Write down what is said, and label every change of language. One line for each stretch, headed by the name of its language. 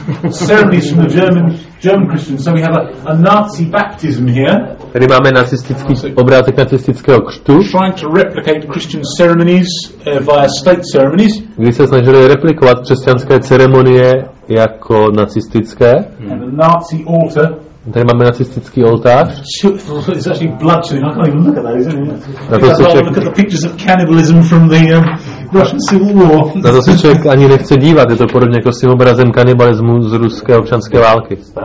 English: Ceremonies from the German Christians. So we have a Nazi baptism here.
Czech: Tady máme nacistický obrázek nacistického křtu.
English: Trying to replicate Christian ceremonies via state ceremonies.
Czech: Kdy se snažili replikovat křesťanské ceremonie jako nacistické.
English: And a Nazi altar.
Czech: Tady máme nacistický oltář.
English: It's actually bloodshed. I can't even look at the pictures of cannibalism from the Russian Civil War.
Czech: Na to se člověk ani nechce dívat. Je to podobně jako s tím obrazem kanibalismu z ruské občanské války.